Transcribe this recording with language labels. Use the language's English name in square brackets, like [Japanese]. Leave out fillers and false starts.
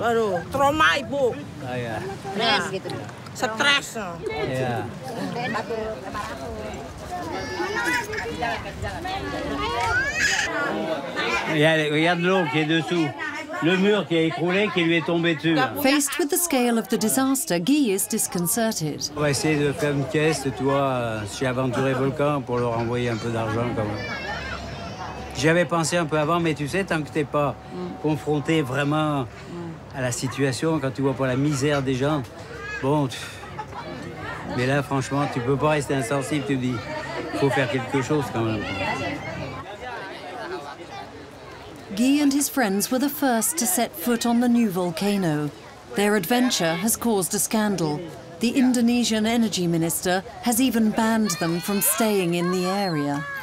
[French] Alors, trop mal, beau. [English] Ah, yeah. [French] Ça trace. [English] Yeah. [French] Regarde l'eau qui est dessous, le mur qui a écroulé, qui lui est tombé dessus. [English] Faced with the scale of the disaster, Guy is disconcerted. [French] On va essayer de faire une caisse, tu vois, chez Aventuré Volcan, pour leur envoyer un peu d'argent quand même. J'avais pensé un peu avant, mais tu sais, tant que t'es pas confronté vraiment à la situation, quand tu vois pas la misère des gens, bon, mais là, franchement, tu peux pas rester insensible, tu dis. Faut faire quelque chose quand même. [English] Guy and his friends were the first to set foot on the new volcano. Their adventure has caused a scandal. The Indonesian energy minister has even banned them from staying in the area.